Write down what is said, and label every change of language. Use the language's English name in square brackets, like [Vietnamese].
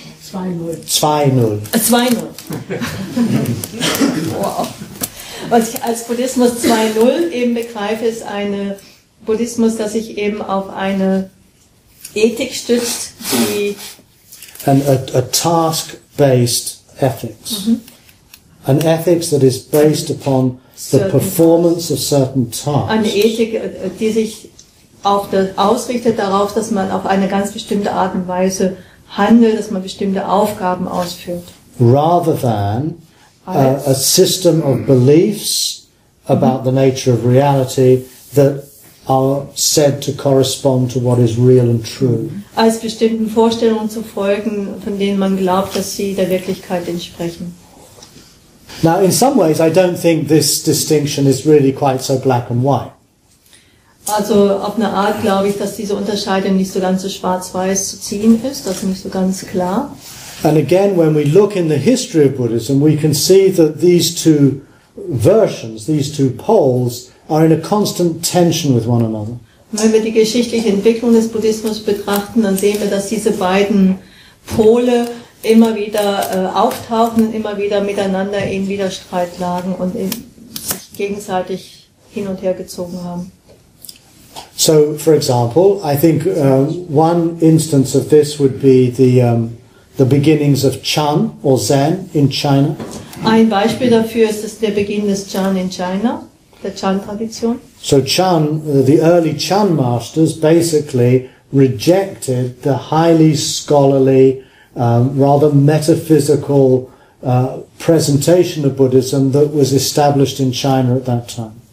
[German] 2.0. 2.0. Wow. Was ich als Buddhismus 2.0 eben begreife, ist ein Buddhismus, das sich eben auf eine Ethik stützt, die. [English] A task-based ethics. Mm-hmm. An ethics that is based upon the performance of certain tasks. [German] Eine Ethik, die sich auch ausrichtet darauf, dass man auf eine ganz bestimmte Art und Weise handelt, dass man bestimmte Aufgaben ausführt. [English] Rather than a system of beliefs about the nature of reality that are said to correspond to what is real and true. [German] Als bestimmten Vorstellungen zu folgen, von denen man glaubt, dass sie der Wirklichkeit entsprechen. [English] Now, in some ways, I don't think this distinction is really quite so black and white. [German] Also auf eine Art glaube ich, dass diese Unterscheidung nicht so ganz so schwarz-weiß zu ziehen ist, das ist nicht so ganz klar. [English] And again, when we look in the history of Buddhism, we can see that these two versions, these two poles, are in a constant tension with one another. [German] Wenn wir die geschichtliche Entwicklung des Buddhismus betrachten, dann sehen wir, dass diese beiden Pole immer wieder auftauchen, immer wieder miteinander in Widerstreit lagen und sich gegenseitig hin und her gezogen haben. [English] So, for example, I think one instance of this would be the beginnings of Chan or Zen in China. [German] Ein Beispiel dafür ist der Beginn des Chan in China, der Chan-Tradition. [English] So Chan, the early Chan masters basically rejected the highly scholarly, rather metaphysical presentation of Buddhism that was established in China at that time.